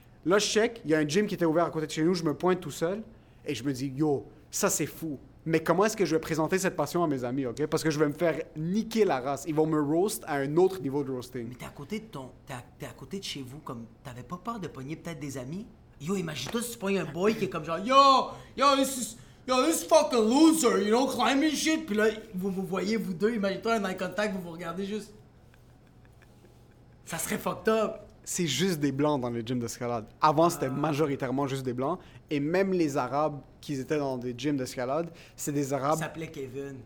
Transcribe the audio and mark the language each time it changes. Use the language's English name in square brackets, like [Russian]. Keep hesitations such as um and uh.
[French] Là, je check, il y a un gym qui était ouvert à côté de chez nous. Je me pointe tout seul et je me dis, yo, ça c'est fou. Mais comment est-ce que je vais présenter cette passion à mes amis, ok? Parce que je vais me faire niquer la race. Ils vont me roast à un autre niveau de roasting. Mais t'es à côté de ton. T'es à, t'es à côté de chez vous, comme. T'avais pas peur de pogner peut-être des amis? Yo, imagine-toi si tu pognes un boy qui est comme genre [English] Yo, yo, this is- Yo, this fucking loser, you know, climbing shit. [French] Puis là, vous vous voyez, vous deux, imagine-toi un eye contact, vous vous regardez juste. Ça serait fucked up. c'est juste des blancs dans les gyms d'escalade. Avant, c'était majoritairement juste des blancs. Et même les Arabes qui étaient dans des gyms d'escalade, c'est des Il Arabes. s'appelait Kevin.